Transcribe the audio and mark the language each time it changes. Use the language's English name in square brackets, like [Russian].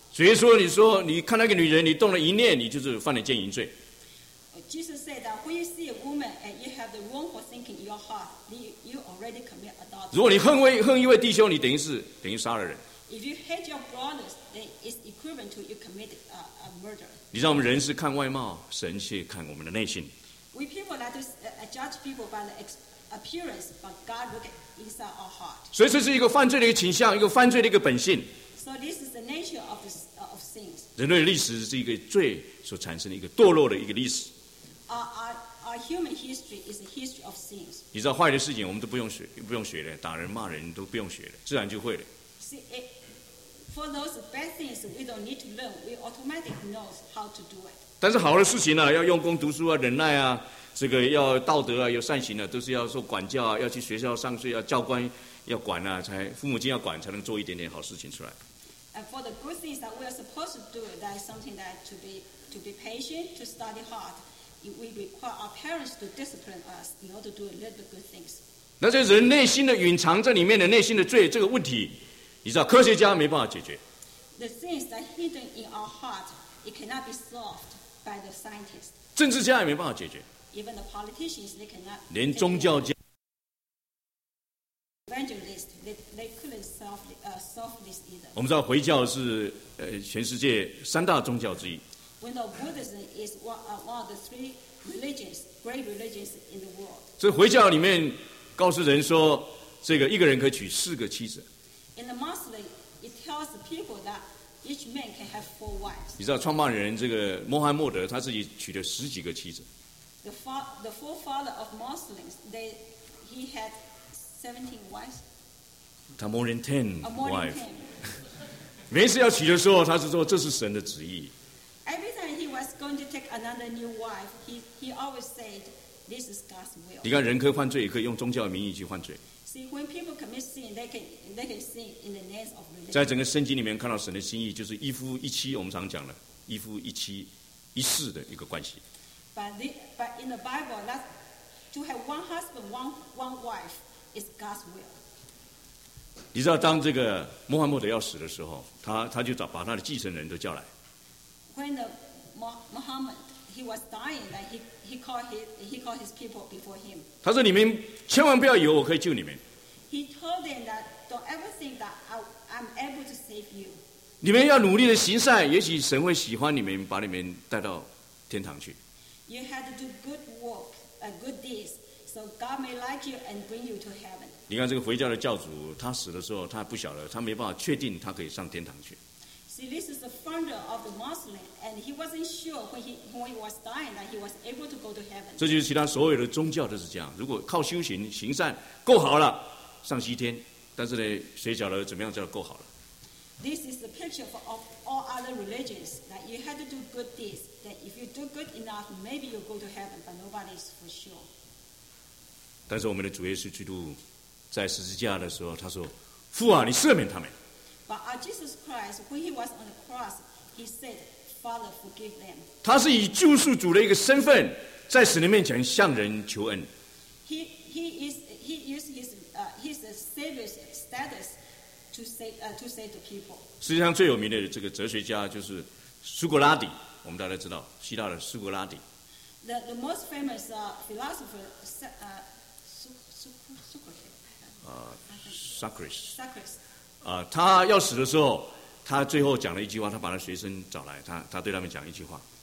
[Chinese] 所以说，你说你看那个女人，你动了一念，你就是犯了奸淫罪。 [English] Jesus said that when you see a woman and you have the wrongful thinking in your heart, you already commit adultery. [Chinese] 如果你恨一位弟兄，你等于杀了人。 [English] If you hate your brothers, then it's equivalent to you commit a murder. [Chinese] 你知道我们人是看外貌，神却看我们的内心。 [English] We people like to judge people by the appearance, but God looks inside our heart. [Chinese] 所以这是一个犯罪的一个倾向，一个犯罪的一个本性。 [English] So this is the nature of the of sins. [Chinese] 人类历史是一个罪所产生的一个堕落的一个历史。 [English] Our human history is a history of sins. [Chinese] 你知道坏的事情，我们都不用学的，打人骂人都不用学的，自然就会了。 [English] For those bad things, we don't need to learn. We automatically know how to do it. [Chinese] 但是好的事情呢、啊，要用功读书啊，忍耐啊。这个要道德啊，有善行啊，都是要受管教啊，要去学校上学啊，教官要管啊，才父母亲要管，才能做一点点好事情出来。 [English] And for the good things that we are supposed to do, that is something that to be patient, to study hard. We require our parents to discipline us in order to do a little bit good things. [Chinese] 那这人内心的隐藏在里面的内心的罪这个问题，你知道科学家没办法解决。 [English] The things that are hidden in our heart, it cannot be solved by the scientists. [Chinese] 政治家也没办法解决。 [English] Even the politicians, they cannot. [Chinese] 连宗教家 [English] ，evangelist, they couldn't solve this either. [Chinese] 我们知道回教是全世界三大宗教之一。 [English] We know Buddhism is one of the three religions, great religions in the world. [Chinese] 这回教里面告诉人说，这个一个人可以娶四个妻子。 [English] In the Muslim, it tells the people that each man can have four wives. [Chinese] 你知道创办人这个穆罕默德他自己娶了十几个妻子。 [English] The forefather of Muslims, he had 17 wives. More than 10 wives. Ten. [Chinese] 每次要娶的时候，他是说这是神的旨意。 [English] Every time he was going to take another new wife, he always said, "This is God's will." [Chinese] 你看，人可以犯罪，也可以用宗教的名义去犯罪。 [English] See, when people commit sin, they can sin in the name of religion. [Chinese] 在整个圣经里面看到神的心意，就是一夫一妻。我们常讲的，一夫一妻一世的一个关系。 [English] But in the Bible, that to have one husband, one wife is God's will. [Chinese] 你知道，当这个穆罕默德要死的时候，他就把他的继承人都叫来。 [English] When the Muhammad he was dying, that he called his people before him. [Chinese] 他说：“你们千万不要以为我可以救你们。” [English] He told them that don't ever think that I'm able to save you. [Chinese] 你们要努力的行善，也许神会喜欢你们，把你们带到天堂去。 [English] You had to do good work, a good deeds, so God may like you and bring you to heaven. [Chinese] 你看这个回教的教主，他死的时候，他不晓得，他没办法确定他可以上天堂去。 [English] See, this is the founder of the Muslim, and he wasn't sure when he was dying that he was able to go to heaven. [Chinese] 这就是其他所有的宗教都是这样。如果靠修行行善够好了，上西天；但是呢，谁晓得怎么样叫够好了？ [English] This is the picture of all other religions that you had to do good deeds. If you do good enough, maybe you'll go to heaven, but nobody is for sure. [Chinese] 但是我们的主耶稣基督在十字架的时候，他说：“父啊，你赦免他们。” [English] But our Jesus Christ, when he was on the cross, he said, "Father, forgive them." [Chinese] 他是以救赎主的一个身份，在神的面前向人求恩。 [English] He used his Savior's status to say to people. [Chinese] 世界上最有名的这个哲学家就是苏格拉底。我们大家知道希腊的苏格拉底。 [English] The most famous philosopher, Socrates. [Chinese] 他要死的时候，他最后讲了一句话，他把他学生找来，他对他们讲一句话。